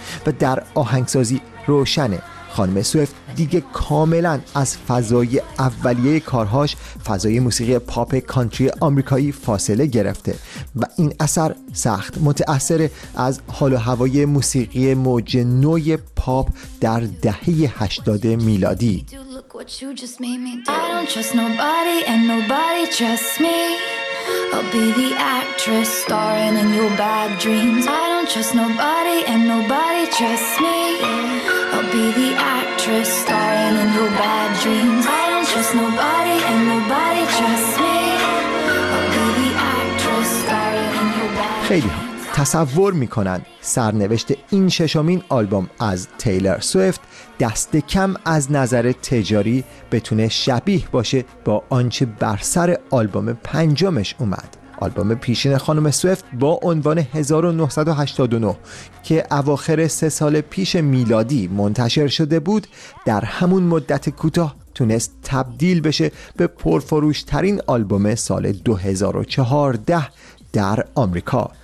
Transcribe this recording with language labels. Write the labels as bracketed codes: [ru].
[fa] و در آهنگسازی روشنه خانم سویفت دیگه کاملا از فضای اولیه کارهاش، فضای موسیقی پاپ کانتری آمریکایی، فاصله گرفته و این اثر سخت متأثر از حال و هوای موسیقی موج نوی پاپ در دهه 80 میلادی. [en] I'll be the actress starring in your bad dreams. I don't trust nobody and nobody trusts me. I'll be the actress starring in your bad dreams. I don't trust nobody and nobody trusts me. I'll be the actress starring in your bad dreams. [fa] خیلی ها تصور میکنن سرنوشت این ششمین آلبوم از تیلر سویفت دست کم از نظر تجاری بتونه شبیه باشه با آنچه بر سر آلبوم پنجمش اومد. آلبوم پیشین خانم سویفت با عنوان 1989 که اواخر 3 سال پیش میلادی منتشر شده بود، در همون مدت کوتاه تونست تبدیل بشه به پرفروشترین آلبوم سال 2014 در آمریکا.